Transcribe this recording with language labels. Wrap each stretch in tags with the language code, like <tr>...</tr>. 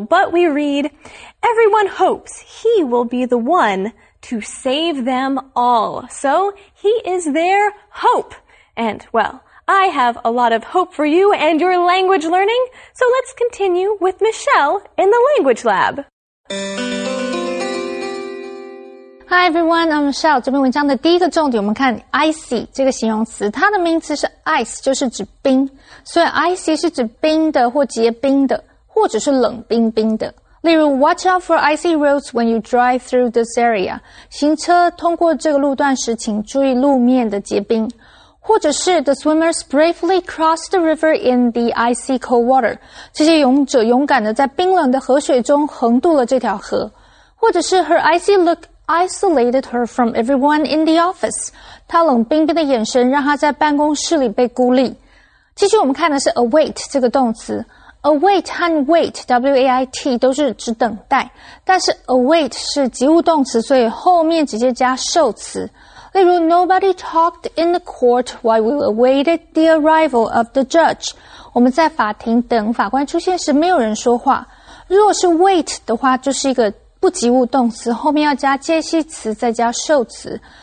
<en>But we read, everyone hopes he will be the one to save them all. So he is their hope. And, well, I have a lot of hope for you and your language learning. So let's continue with Michelle in the language lab. Hi everyone, I'm Michelle.</en> <zh>这篇文章的第一个重点，我们看 icy 这个形容词，它的名词是 ice， 就是指冰。所以 icy 是指冰的或结冰的，或者是冷冰冰的。例如</zh> <en>，Watch out for icy roads when you drive through this area。</en> <zh>行车通过这个路段时，请注意路面的结冰。或者是</zh> <en>The swimmers bravely crossed the river in the icy cold water。</en> <zh>这些勇者勇敢的在冰冷的河水中横渡了这条河。或者是</zh> <en>Her icy look isolated her from everyone in the office。</en> <zh>她冷冰冰的眼神让她在办公室里被孤立。继续我们看的是 await 这个动词。Await 和 wait, W-A-I-T, 都是指等待。但是 await 是及物动词，所以后面直接加受词。例如</zh> <en>,nobody talked in the court while we awaited the arrival of the judge.</en> <zh>我们在法庭等法官出现时没有人说话。如果是 wait 的话就是一个不及物动词后面要加介系词再加受词。</zh>